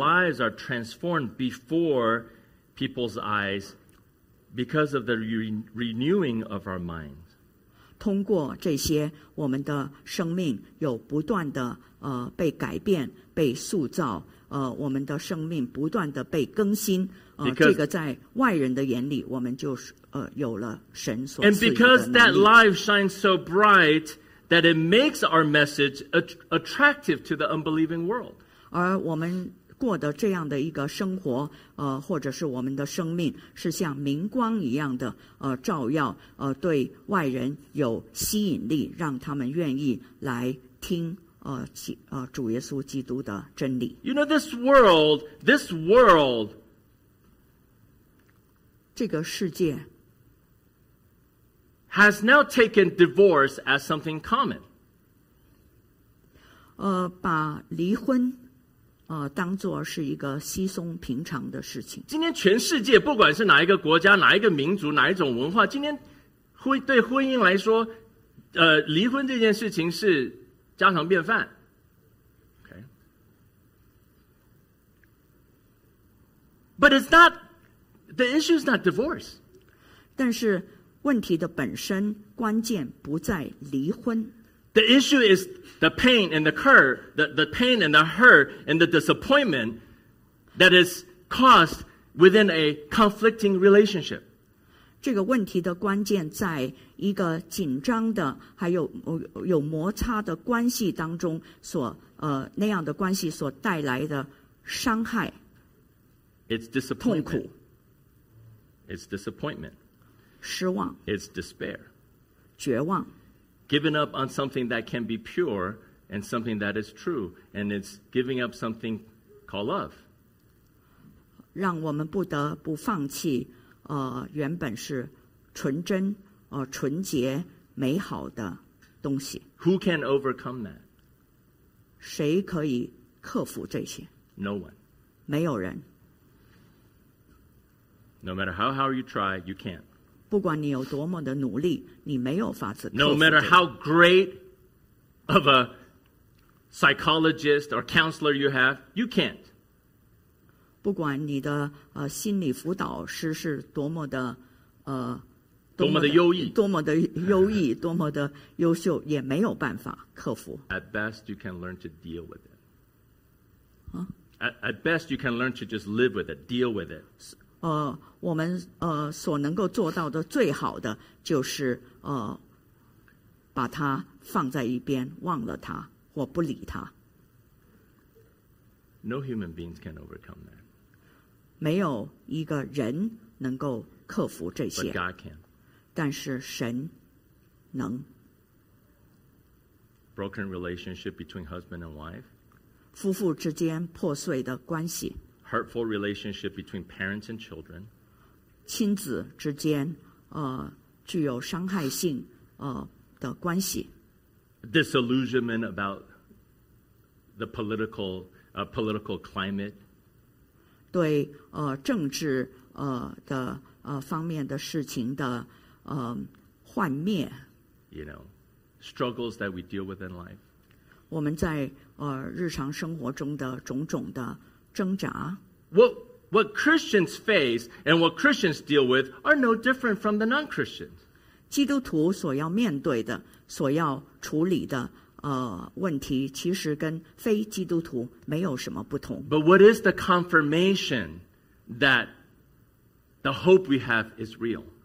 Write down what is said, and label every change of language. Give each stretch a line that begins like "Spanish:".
English: that our lives are transformed before people's eyes because of the renewing of our minds
Chinese: 通过这些我们的生命有不断的被改变被塑造我们的生命不断地被更新这个在外人的眼里我们就有了神所赐的能
English: 力 And because that life shines so bright that it makes our message attractive to the unbelieving world
Chinese: 而我们过的这样的一个生活或者是我们的生命是像明光一样的照耀对外人有吸引力让他们愿意来听主耶稣基督的真理
English: You know this world
Chinese: 这个世界
English: has now taken divorce as something common
Chinese: 把离婚当作是一个稀松平常的事情今天全世界不管是哪一个国家哪一个民族哪一种文化今天对婚姻来说离婚这件事情是家常便饭 okay.
English: But it's not The issue is not divorce
Chinese: 但是问题的本身关键不在离婚
English: The issue is the pain and the hurt the pain and the hurt and the disappointment that is caused within a conflicting relationship
Chinese: 这个问题的关键在一个紧张的还有有摩擦的关系当中所那样的关系所带来的伤害
English: It's disappointment
Chinese: 痛苦
English: It's disappointment
Chinese: 失望
English: It's despair
Chinese: 绝望
English: Giving up on something that can be pure and something that is true and it's giving up something called love
Chinese: 让我们不得不放弃原本是纯真纯洁美好的东西。
English: Who can overcome that?
Chinese: 谁可以克服这些？
English: No one.
Chinese: 没有人。
English: No matter how hard you try, you can't.
Chinese: 不管你有多么的努力，你没有法子克服。
English: No matter how great of a psychologist or counselor you have, you can't.
Chinese: 不管你的心理辅导师是多么的多么的优异，多么的优异，多么的优秀，也没有办法克服。
English: At best, you can learn to deal with it. At best, you can learn to just live with it, deal with it.
Chinese: 我们所能够做到的最好的就是把它放在一边，忘了它或不理它。
English: No human beings can overcome that.
Chinese: 没有一个人能够克服这些。
English: But God can.
Chinese: 但是神能。
English: Broken relationship between husband and wife.
Chinese: 夫妇之间破碎的关系。
English: Hurtful relationship between parents and children.
Chinese: 亲子之间具有伤害性的关系。
English: Disillusionment about the political climate.
Chinese: 对政治方面的事情的幻灭。
English: You know, struggles that we deal with in life.
Chinese: 我们在日常生活中的种种的挣扎。
English: What Christians face and what Christians deal with are no different from the non-Christians.
Chinese: 基督徒所要面对的、所要处理的问题，其实跟非基督徒没有什么不同。
English: But what is the confirmation that the hope we have is real?